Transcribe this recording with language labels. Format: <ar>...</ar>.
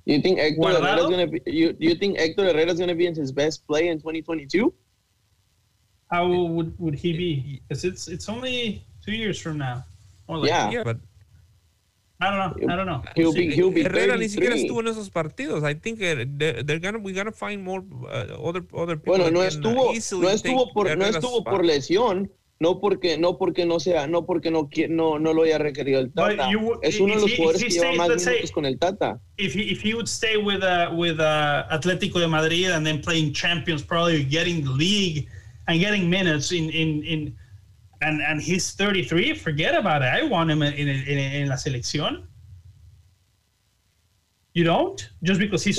<en>You think Hector Herrera is going to be? You think Hector Herrera is going to be in his best play in 2022? How would he be? Because it's only 2 years from now. Yeah, but. I don't know. He'll be I think we're gonna find more other people.</en> <es>Bueno, no estuvo por lesión, no porque no lo haya requerido el Tata. Es uno de los jugadores que lleva más minutos con el Tata.</es> <en>If he would stay with Atlético de Madrid and then playing Champions, probably getting the league and getting minutes in and he's 33. Forget about it. I want him in La Selección. You don't? Just because he's</en>